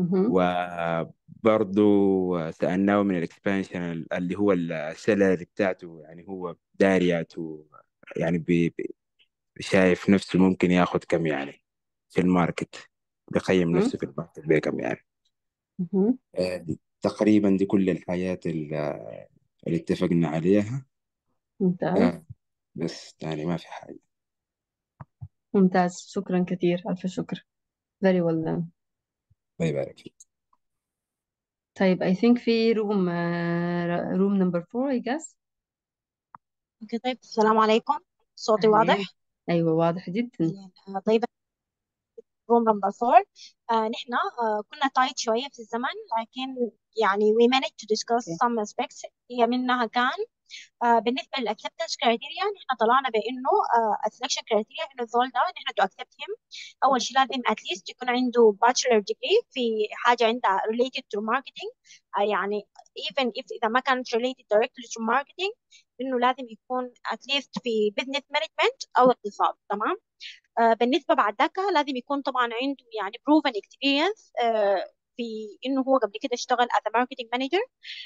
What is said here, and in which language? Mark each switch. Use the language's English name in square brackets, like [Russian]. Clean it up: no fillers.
[Arabic] وبرضو سألناه من الاكسبانشن اللي هو السالري بتاعته، يعني هو دارياته، يعني شايف نفسه ممكن ياخد كم يعني في الماركت، بيقيم نفسه في الماركت بكم يعني. تقريبا دي كل الحياة اللي اتفقنا عليها. ممتاز بس يعني ما في حاجة. ممتاز، شكرا كثير، ألف شكر، very well done. الله يبارك فيك. طيب [English] I think في room room number four I guess. [Arabic] اوكي طيب، السلام عليكم، صوتي واضح؟ ايوه واضح جدا. طيب room number four، نحن كنا تايت شوية في الزمن، لكن يعني we managed to discuss some aspects. هي منها كان بالنسبة لل acceptance criteria، نحن طلعنا بأنه selection criteria إنه الزول ده نحن to accept him، أول شيء لازم at least يكون عنده bachelor degree في حاجة عندها related to marketing، يعني even if إذا ما كانت related directly to marketing، إنه لازم يكون at least في business management أو اقتصاد، تمام؟ بالنسبة بعد ذاك لازم يكون طبعا عنده يعني proven experience في إنه هو قبل كده اشتغل as a marketing manager.